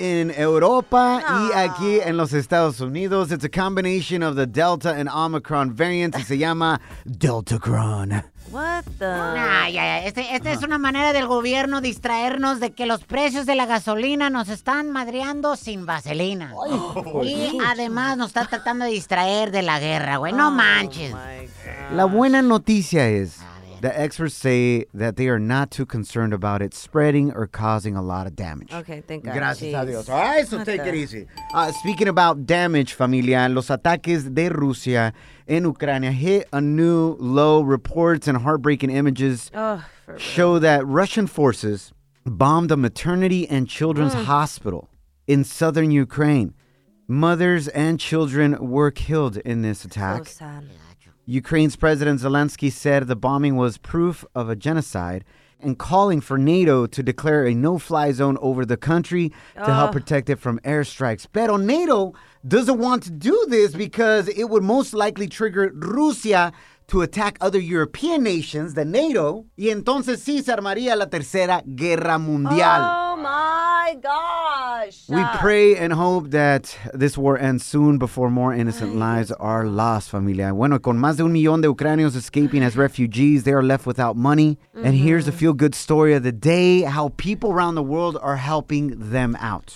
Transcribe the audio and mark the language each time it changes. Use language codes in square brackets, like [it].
[es] In Europa y aquí en los Estados Unidos. [en] It's a combination of the Delta and Omicron variants. [es] Y se llama Deltacron. [en] What the? [es] Nah, ya. Este es una manera del gobierno distraernos de que los precios de la gasolina nos están madreando sin vaselina. Oh, y Dios. Además nos está tratando de distraer de la guerra, güey. No manches. La buena noticia es... [en] The experts say that they are not too concerned about it spreading or causing a lot of damage. Okay, thank God. Gracias a Dios. All right, so take it easy. Speaking about damage, familia, los ataques de Rusia en Ucrania hit a new low. Reports and heartbreaking images show that Russian forces bombed a maternity and children's hospital in southern Ukraine. Mothers and children were killed in this attack. So sad. Ukraine's President Zelensky said the bombing was proof of a genocide and calling for NATO to declare a no-fly zone over the country to help protect it from airstrikes. Pero NATO doesn't want to do this because it would most likely trigger Rusia to attack other European nations than NATO. [es] Y entonces sí se armaría la tercera guerra mundial. [en] Oh my gosh. We pray and hope that this war ends soon before more innocent lives are lost, familia. Bueno, con más de 1 million de ucranianos escaping as refugees, they are left without money. Mm-hmm. And here's a feel-good story of the day, how people around the world are helping them out.